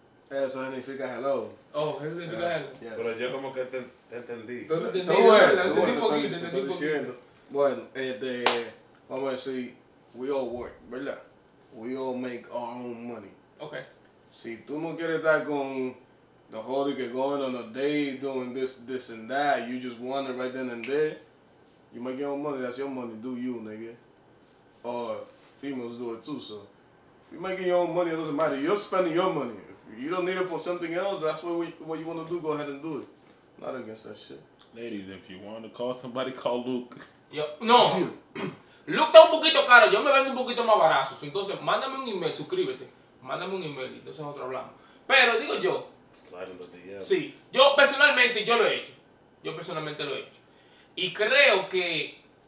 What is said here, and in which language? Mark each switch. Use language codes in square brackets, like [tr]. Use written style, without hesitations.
[es] Eso significa hello. Eso significa hello. Pero yo como que te entendí. Te entendí. Bueno, vamos a decir, we all work, ¿verdad? [en] We all make our own money. Okay. Si tú no quieres estar con the whole thing going on a day doing this and that, you just want it right then and there, you might get your money, that's your money, do you, nigga. Or females do it too, so. If you're making your own money, it doesn't matter. You're spending your money. If you don't need it for something else, that's what you want to do, go ahead and do it. Not against that shit. Ladies, if you want to call somebody, call Luke. [es] Yo, no. Luke está un poquito caro, yo me vendo un poquito más barato. Entonces, mándame un email, suscríbete. Mándame un email y entonces nosotros hablamos. Pero digo yo. Sí, yo personalmente lo he hecho. Y creo que.